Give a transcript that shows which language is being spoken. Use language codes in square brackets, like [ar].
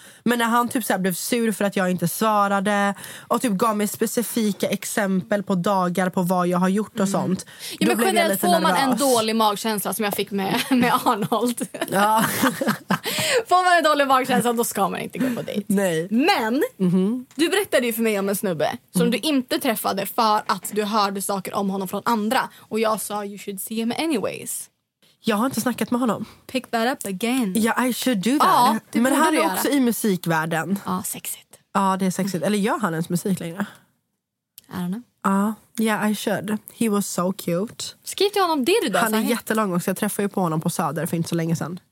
[sv] Men när han typ så här blev sur för att jag inte svarade och typ gav mig specifika exempel på dagar på vad jag har gjort och sånt. Ja, men generellt får man en dålig magkänsla, som jag fick med Arnold. Ja. Får man en dålig magkänsla, då ska man inte gå på dejt. Nej. Men du berättade ju för mig om en snubbe som du inte träffade för att du hörde saker om honom från andra. Och jag sa, [en] you should see him anyways. [sv] Jag har inte snackat med honom. [en] Pick that up again. Yeah, I should do that. [sv] Ja, men han är också i musikvärlden. Ja, sexigt. Ja, det är sexigt. Eller gör han ens musik längre? [en] I don't know. Ja, yeah, I should. He was so cute. [sv] Skriv till honom det du då. Han är jättelång också. Jag träffade ju på honom på Söder för inte så länge sedan.